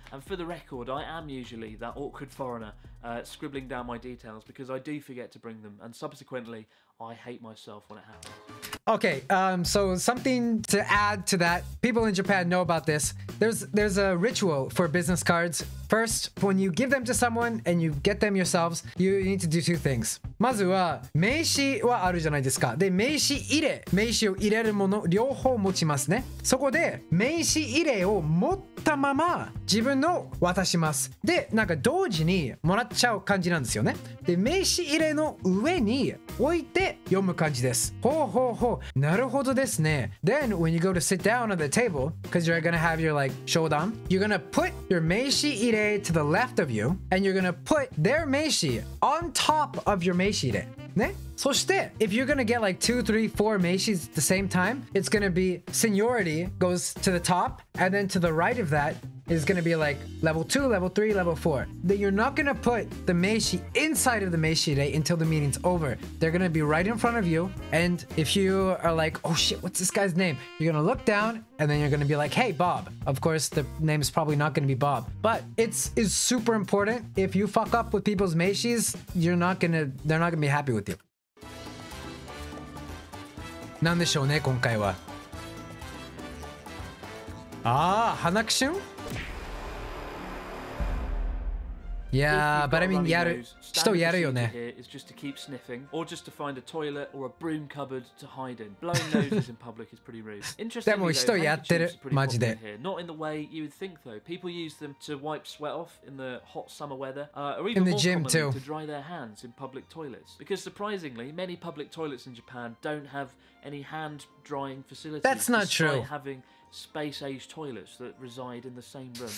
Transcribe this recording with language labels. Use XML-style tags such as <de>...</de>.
<en>And for the record, I am usually that awkward foreigner scribbling down my details because I do forget to bring them. And subsequently, I hate myself when it happens. Okay, so something to add to that. People in Japan know about this. There's a ritual for business cards. First, when you give them to someone and you get them yourselves, you need to do two things.</en> <ja>まずは名刺はあるじゃないですか。で、名刺入れ、名刺を入れるもの両方持ちますね。そこで名刺入れを持ったまま自分の渡します。で、なんか同時にもらっちゃう感じなんですよね。で、名刺入れの上に置いて読む感じです。ほうほうほう。なるほどですね。</ja> <en>Then when you go to sit down at the table, because you're gonna have your like shodan, you're gonna put your 名刺入れ to the left of you, and you're gonna put their 名刺 on top of your 名刺入れ。</en> <ja>ね。そして、</ja> <en>if you're gonna get like 2, 3, 4 meishis at the same time, it's gonna be seniority goes to the top, and then to the right of that is gonna be like level 2, level 3, level 4. Then you're not gonna put the meishi inside of the meishi re until the meeting's over. They're gonna be right in front of you, and if you are like, oh shit, what's this guy's name? You're gonna look down, and then you're gonna be like, hey, Bob. Of course, the name is probably not gonna be Bob, but it's super important. If you fuck up with people's meishis, they're not gonna be happy with you.</en> <ja>なんでしょうね、今回は。ああ、鼻くしゅん?</ja> <en>Yeah, but I mean,</en> <ja>やる、人やるよね。</ja> <en>It's just to keep sniffing, or just to find a toilet or a broom cupboard to hide in. Blowing noses in public is pretty rude.</en> <ja>でも人やってる、マジで。</ja> <en>Not in the way you would think, though. People use them to wipe sweat off in the hot summer weather, or even in the gym too, to dry their hands in public toilets. Because surprisingly, many public toilets in Japan don't have any hand drying facilities. That's not true. Having space age toilets that reside in the same room.</en>